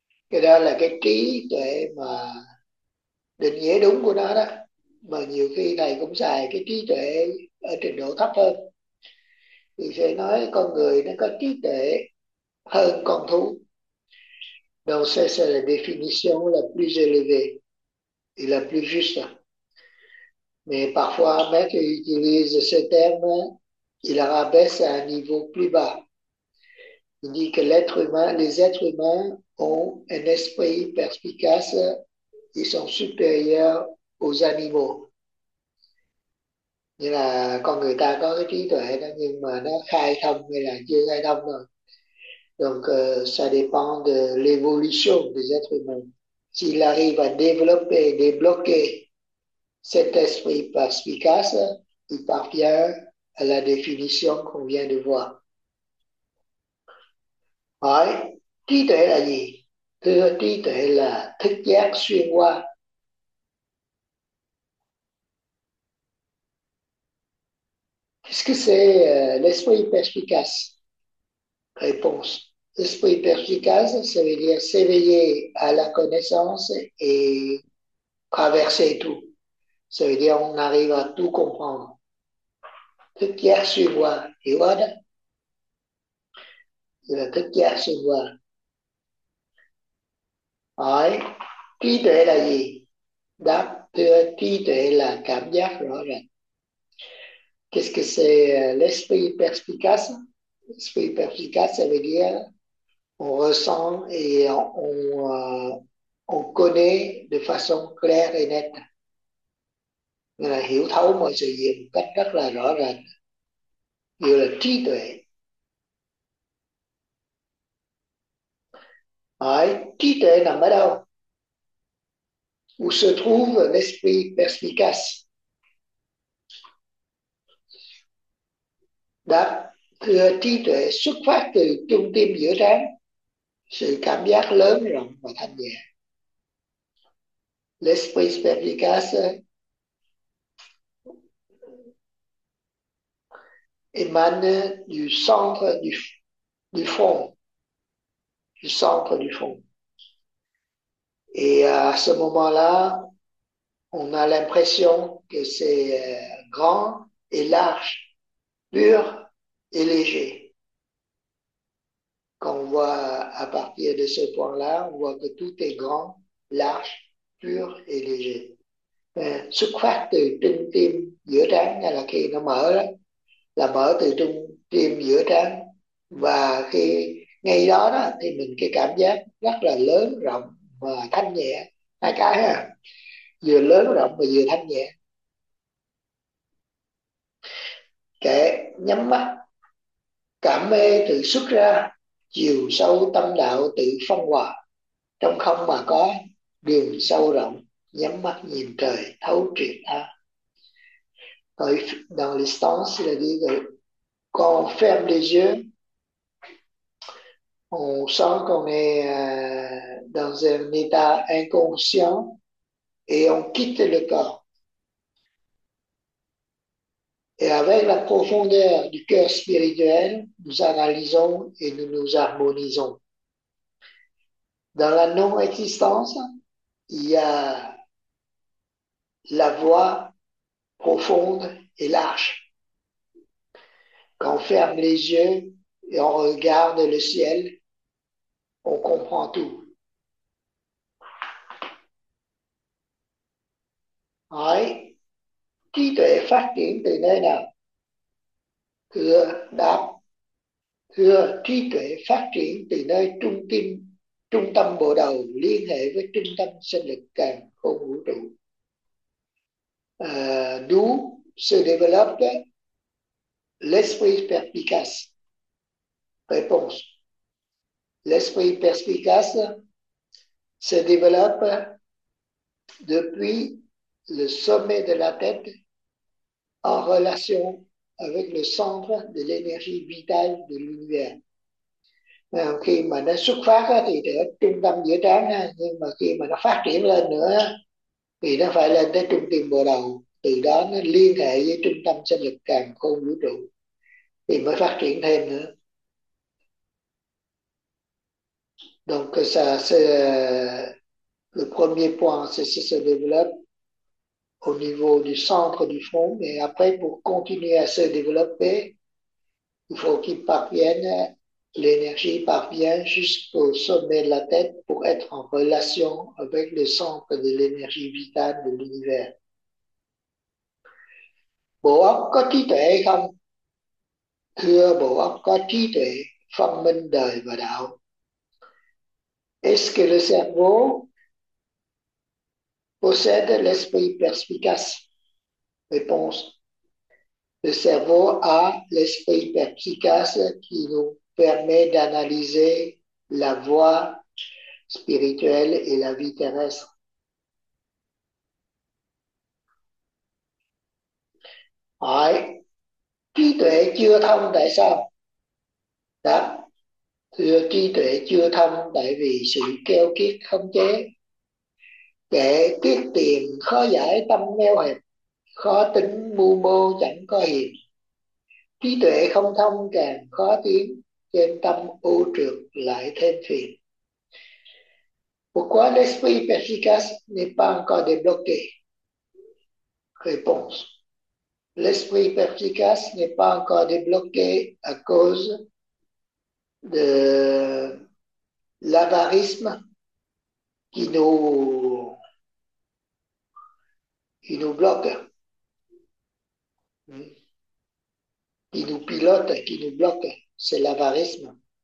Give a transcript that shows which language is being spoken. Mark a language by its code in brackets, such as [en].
[vi] Cái đó là cái trí tuệ mà định nghĩa đúng của nó đó. Mà nhiều khi thầy cũng xài cái trí tuệ ở trình độ thấp hơn. Thì sẽ nói con người nó có trí tuệ hơn con thú. [fr] Donc ça c'est la définition la plus élevée et la plus juste. Mais parfois, Maître utilise ce terme, il le rabaisse à un niveau plus bas. Il dit que les êtres humains ont un esprit perspicace, ils sont supérieurs aux animaux. [vi] Nghĩa là con người ta có cái trí tuệ đó, nhưng mà nó khai thông hay là chưa khai thông rồi. [fr] Donc, ça dépend de l'évolution des êtres humains. S'il arrive à développer, débloquer cet esprit perspicace, il parvient à la définition qu'on vient de voir. [vi] Hỏi, trí tuệ là gì? Thưa, trí tuệ là thức giác xuyên qua. [fr] Qu'est-ce que c'est l'esprit perspicace? Réponse. L'esprit perspicace, ça veut dire s'éveiller à la connaissance et traverser tout. Ça veut dire on arrive à tout comprendre. [vi] Thức giác xuyên qua, hiểu pas đó? Là thức giác xuyên qua. Hỏi, trí tuệ là gì? Đáp, thưa, trí tuệ là cảm giác rõ ràng. [fr] Qu'est-ce que c'est l'esprit perspicace? L'esprit perspicace, ça veut dire on ressent et on connaît de façon claire et nette. [vi] Là hiểu thấu mọi sự việc một cách rất là rõ ràng. Điều là trí tuệ. Hỏi, trí tuệ nằm ở đâu? [fr] Où se trouve l'esprit perspicace? [vi] Đáp, thưa trí tuệ xuất phát từ trung tâm giữa trán, sự cảm giác lớn rộng và thanh nhẹ. [fr] L'esprit perspicace émane du centre du front, du centre du front. Et à ce moment-là, on a l'impression que c'est grand et large, pur et léger. Quand on voit à partir de ce point-là, on voit que tout est grand, large, pur et léger. [vi] Xuất phát từ trung tâm giữa trán, là khi nó mở đó, là mở từ trung tâm giữa trán, và khi ngay đó đó thì mình cái cảm giác rất là lớn rộng và thanh nhẹ, hai cái ha, vừa lớn rộng và vừa thanh nhẹ. Kệ, nhắm mắt, cảm mê tự xuất ra, chiều sâu tâm đạo tự phân hòa, trong không mà có đường sâu rộng, nhắm mắt nhìn trời thấu triệt tha. [fr] Dans l'instant, c'est-à-dire quand on ferme les yeux, on sent qu'on est dans un état inconscient et on quitte le corps. Et avec la profondeur du cœur spirituel, nous analysons et nous nous harmonisons. Dans la non-existence, il y a la voie profonde et large. Quand on ferme les yeux et on regarde le ciel, on comprend tout. [vi] Hỏi, trí tuệ phát triển từ nơi nào? Thưa đáp, thưa trí tuệ phát triển từ nơi trung tâm bộ đầu liên hệ với trung tâm sinh lực càn khôn vũ trụ. [fr] D'où se développe l'esprit perspicace? Réponse. L'esprit perspicace se développe depuis le sommet de la tête en relation avec le centre de l'énergie vitale de l'univers. [vi] Khi mà nó xuất phát thì ở trung tâm giữa trán, nhưng mà khi mà nó phát triển lên nữa thì nó phải lên tới trung tâm bộ đầu, từ đó nó liên hệ với trung tâm sinh lực càn khôn vũ trụ thì mới phát triển thêm nữa. [fr] Donc ça c'est le premier point, c'est se développe au niveau du centre du front, mais après pour continuer à se développer, il faut qu'il parvienne, l'énergie parvient jusqu'au sommet de la tête pour être en relation avec le centre de l'énergie vitale de l'univers. [vi] Bộ óc có trí tuệ hay không? Thưa, bộ óc có trí tuệ, phân minh đời và đạo. [fr] Esclarecervo possède l'esprit perspicace. Réponse. Le cerveau a l'esprit perspicace qui nous permet d'analyser la voie spirituelle et la vie terrestre. [vi] Hỏi, trí tuệ chưa thông tại sao? Đáp, thưa, trí tuệ chưa thông tại vì sự keo kiết không chế. Kẻ kiết tiền khó giải tâm eo hẹp, khó tính mưu mô chẳng có hiền. Trí tuệ không thông càng khó tiến, trên tâm ô trược lại thêm phiền. [fr] Pourquoi l'esprit perspicace n'est pas encore débloqué? Réponse. L'esprit perspicace n'est pas encore débloqué à cause de l'avarisme qui nous bloque, qui nous pilote, qui nous bloque, c'est l'avarisme.